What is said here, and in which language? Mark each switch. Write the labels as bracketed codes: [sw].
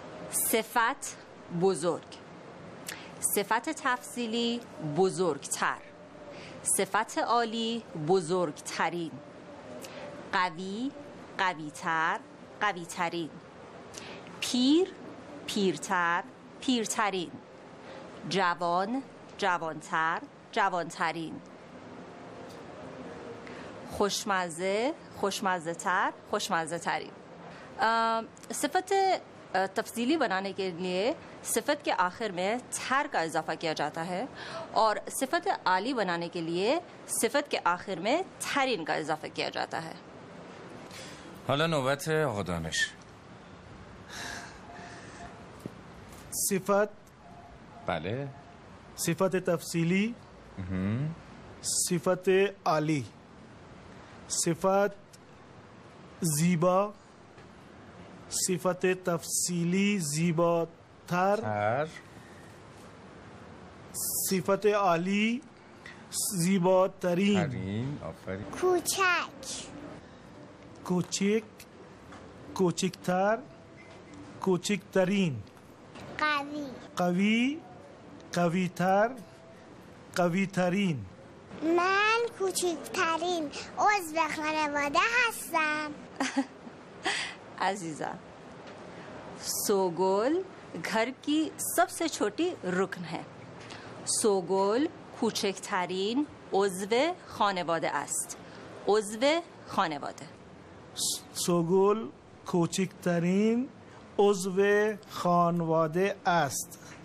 [fa] صفت بزرگ، صفت تفصیلی بزرگتر، صفت عالی بزرگترین، قوی قویتر قویترین، پیر پیرتر پیرترین، جوان جوانتر جوانترین، خوشمزه خوشمزه تر خوشمزه ترین. [ur] صفت تفصیلی بنانے کے لیے صفت کے آخر میں تر کا اضافہ کیا جاتا ہے، اور صفت عالی بنانے کے لیے صفت کے آخر میں ترین کا اضافہ کیا جاتا ہے. [fa] حالا نوبت آقا دانش. صفت، بله، صفت تفصیلی، صفت عالی، صفت زیبا، صفت تفصیلی زیباتر، صفت عالی زیباترین، کوچک کوچک کوچکتر کوچکترین، قوی قوی قویتر قویترین. من کوچکترین عضو خانواده هستم. [ur] عزیزم، سوگل گھر کی سب سے چھوٹی رکن ہے. [fa] سوگل کوچکترین عضو خانواده است. عضو خانواده. سوگل کوچکترین عضو خانواده است.